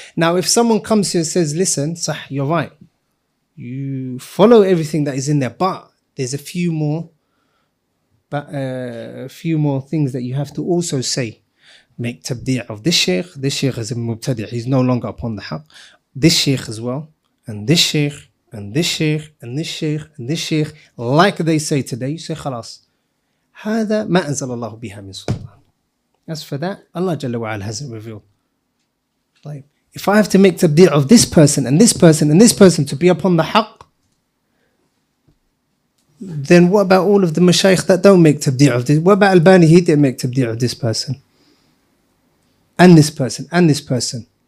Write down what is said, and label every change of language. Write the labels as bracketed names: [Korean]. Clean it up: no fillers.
[English] Now, if someone comes here and says, "Listen, sah, you're right. You follow everything that is in there, but there's a few more things that you have to also say. Make tabdi' of this sheikh. This sheikh is a mubtadi'. He's no longer upon the haqq. This sheikh as well, and this sheikh." And this sheikh, and this sheikh, and this sheikh, like they say today, you say, khalas. [Arabic] هذا ما أنزل الله بها من سلطان. [English] As for that, Allah Jalla wa Ala hasn't revealed. [Arabic] طيب. [English] If I have to make tabdi' of this person, and this person, and this person to be upon the haqq, then what about all of the mashaykh that don't make tabdi' of this? What about Albani? He didn't make tabdi' of this person. And this person, and this person.